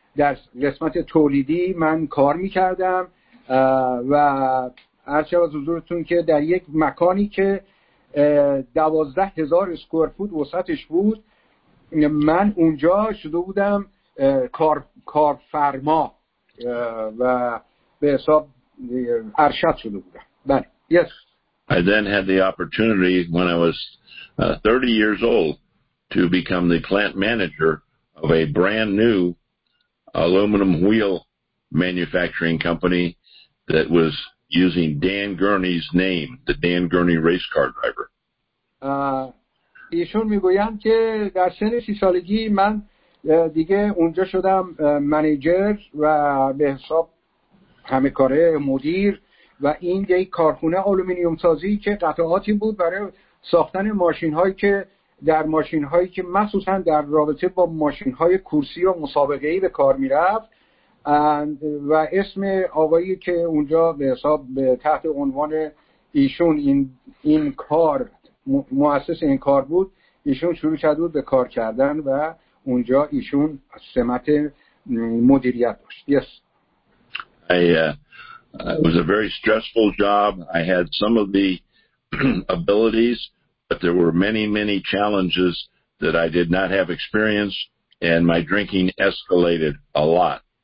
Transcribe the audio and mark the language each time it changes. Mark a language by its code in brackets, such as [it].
[fa] در قسمت تولیدی من کار می‌کردم و هرچه از حضورتون که در یک مکانی که 12,000 اسکوئر فوت وسعتش بود، من اونجا شده بودم کارفرما و به حساب ارشد شده بودم. بله. [en] Yes. I then had the opportunity when I was 30 years old to become the plant manager of a brand new aluminum wheel manufacturing company that was using Dan Gurney's name, the Dan Gurney race car driver. [fa] ایشون میگویند که در سن 30 سالگی من دیگه اونجا شدم منیجر و به حساب همه کاره مدیر و این یک کارخونه آلومینیوم سازی که قطعاتی بود برای ساختن ماشین‌هایی که در ماشین‌هایی که مخصوصا در رابطه با ماشین‌های کورسی و مسابقه‌ای به کار می‌رفت و اسم آقایی که اونجا به حساب به تحت عنوان ایشون این کار مؤسس این کار بود، ایشون شروع کرده بود به کار کردن و اونجا ایشون سمت مدیریت داشت. [en] Yes. It was a very stressful job. I had some of the abilities, but there were many, many challenges that I did not have experience, and my drinking escalated a lot.